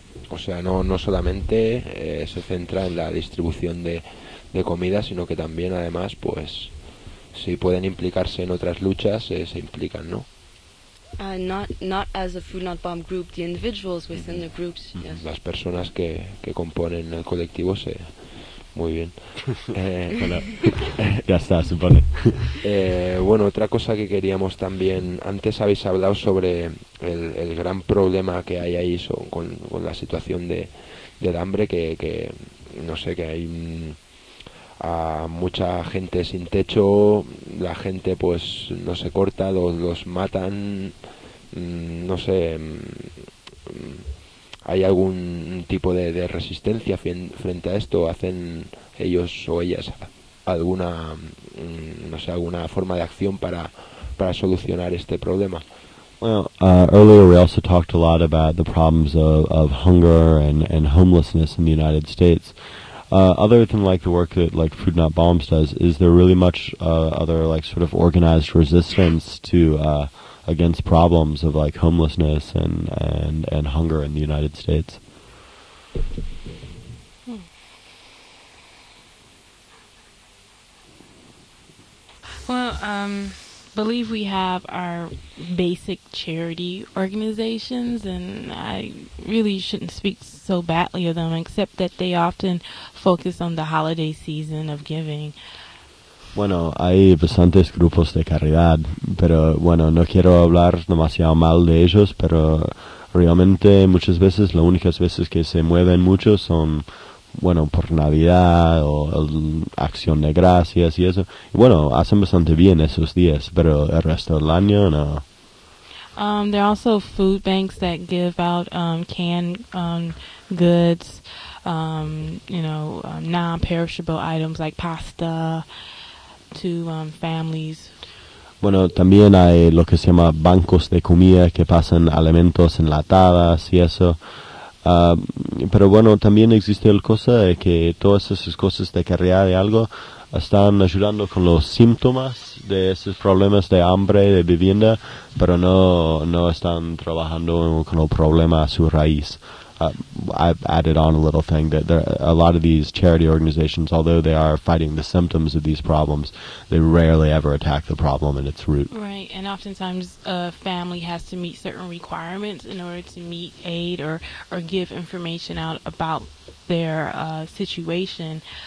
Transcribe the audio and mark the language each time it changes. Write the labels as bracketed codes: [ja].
[es] Uh-huh. O sea, no solamente se centra en la distribución de comida, sino que también, además, pues, si pueden implicarse en otras luchas, se implican, ¿no? [en] Not as a Food Not Bomb group, the individuals within the groups, yes. [es] Las personas que componen el colectivo se... Muy bien. Bueno, ya está, supone. Bueno, otra cosa que queríamos también... Antes habéis hablado sobre el gran problema que hay ahí con la situación del hambre, que no sé, que hay a mucha gente sin techo, la gente pues no se corta, los matan, no sé, ¿hay algún tipo de resistencia frente a esto? ¿Hacen ellos o ellas alguna, no sé, alguna forma de acción para solucionar este problema? [en] Well, earlier we also talked a lot about the problems of hunger and homelessness in the United States. Other than like the work that like Food Not Bombs does, is there really much other like sort of organized resistance to against problems of like homelessness and hunger in the United States? Well, I believe we have our basic charity organizations, and I really shouldn't speak so badly of them, except that they often focus on the holiday season of giving. [es] Bueno, hay bastantes grupos de caridad, pero bueno, no quiero hablar demasiado mal de ellos, pero realmente muchas veces, las únicas veces que se mueven mucho son, bueno, por Navidad o Acción de Gracias y eso. Y bueno, hacen bastante bien esos días, pero el resto del año no. [en] There are also food banks that give out canned goods, non-perishable items like pasta, to families. [es] Bueno, también hay lo que se llama bancos de comida que pasan alimentos enlatados y eso. Pero bueno, también existe la cosa de que todas esas cosas de caridad y algo están ayudando con los síntomas de esos problemas de hambre, de vivienda, pero no están trabajando con el problema a su raíz. [en] I've added on a little thing that there, a lot of these charity organizations, although they are fighting the symptoms of these problems, they rarely ever attack the problem in its root. Right, and oftentimes a family has to meet certain requirements in order to meet aid or give information out about their situation.